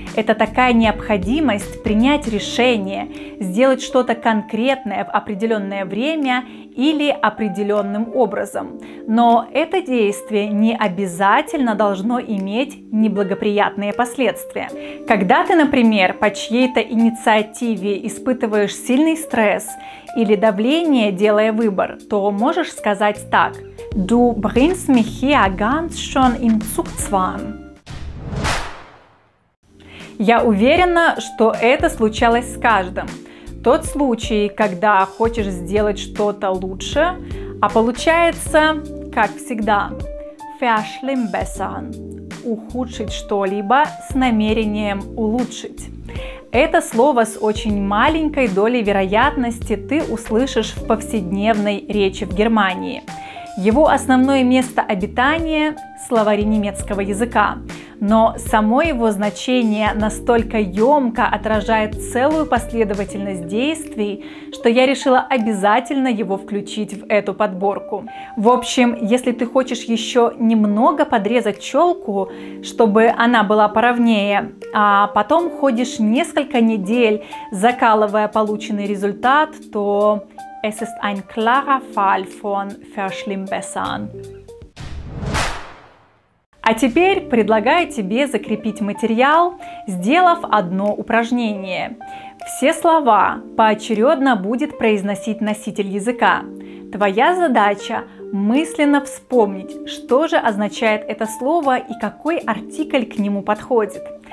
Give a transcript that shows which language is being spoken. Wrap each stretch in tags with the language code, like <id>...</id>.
<ru>Это такая необходимость принять решение, сделать что-то конкретное в определенное время или определенным образом. Но это действие не обязательно должно иметь неблагоприятные последствия. Когда ты, например, по чьей-то инициативе испытываешь сильный стресс или давление, делая выбор, то можешь сказать так:</ru> <de>Du bringst mich hier ganz schön in Zugzwang.</de> <ru>Я уверена, что это случалось с каждым. Тот случай, когда хочешь сделать что-то лучше, а получается, как всегда,</ru> <de>verschlimmbessern,</de> <ru>ухудшить что-либо с намерением улучшить. Это слово с очень маленькой долей вероятности ты услышишь в повседневной речи в Германии. Его основное место обитания – словари немецкого языка. Но само его значение настолько ёмко отражает целую последовательность действий, что я решила обязательно его включить в эту подборку. В общем, если ты хочешь еще немного подрезать челку, чтобы она была поровнее, а потом ходишь несколько недель, закалывая полученный результат, то</ru> <de>es ist ein klarer Fall von verschlimmbessern.</de> <ru>А теперь предлагаю тебе закрепить материал, сделав одно упражнение. Все слова поочередно будет произносить носитель языка. Твоя задача – мысленно вспомнить, что же означает это слово и какой артикль к нему подходит.</ru>